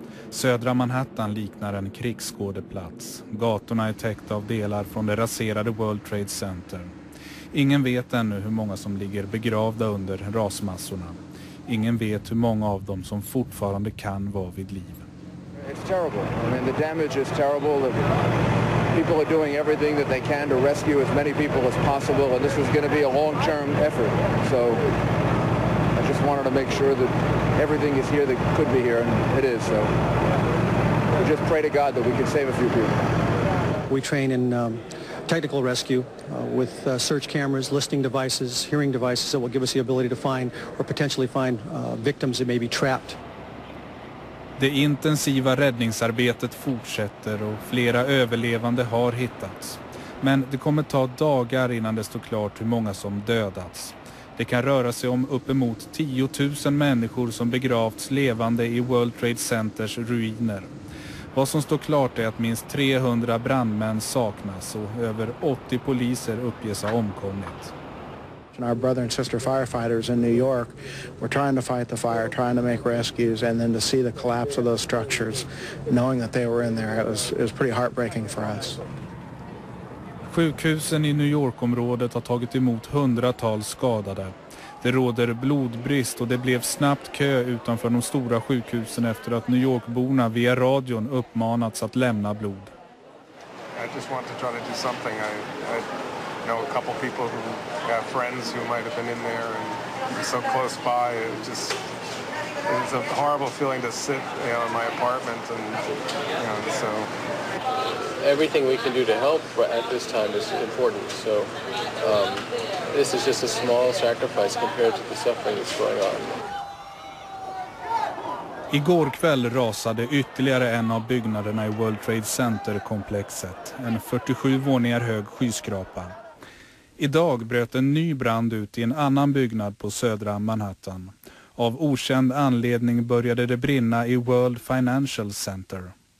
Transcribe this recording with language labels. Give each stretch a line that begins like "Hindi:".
Swedish: Södra Manhattan liknar en krigsskådeplats. Gatorna är täckta av delar från det raserade World Trade Center. Ingen vet ännu hur många som ligger begravda under rasmassorna. Ingen vet hur många av dem som fortfarande kan vara vid liv.
English: It's terrible. I mean, the damage is terrible. People are doing everything that they can to rescue as many people as possible, and this is going to be a long-term effort. So just wanted to make sure that everything is here that could be here, and it is, so we just pray to God that we can save a few people. We train in technical rescue with search cameras, listening devices, hearing devices that will give us the ability to find or potentially find victims that may be trapped.
Swedish: Det intensiva räddningsarbetet fortsätter och flera överlevande har hittats. Men det kommer ta dagar innan det står klart hur många som dödats. Det kan röra sig om uppemot 10 000 människor som begravts levande i World Trade Centers ruiner. Vad som står klart är att minst 300 brandmän saknas och över 80 poliser uppges ha omkommit.
English: Our brother and sister firefighters in New York were trying to fight the fire, trying to make rescues, and then to see the collapse of those structures, knowing that they were in there, it was pretty heartbreaking for us.
Swedish: Sjukhusen i New York-området har tagit emot hundratals skadade. Det råder blodbrist och det blev snabbt kö utanför de stora sjukhusen efter att New York-borna via radion uppmanats att lämna blod.
English: I just want to try to do something. I know a couple people who have friends who might have been in there and were so close by. It's a horrible feeling to sit, you know, in my apartment and, you know, so... Everything we can do to help at this time is important, so this is just a small sacrifice compared to the suffering that's going on.
Swedish: Igår kväll rasade ytterligare en av byggnaderna i World Trade Center-komplexet, en 47 våningar hög skyskrapa. Idag bröt en ny brand ut i en annan byggnad på södra Manhattan. Av okänd anledning började det brinna i World Financial Center.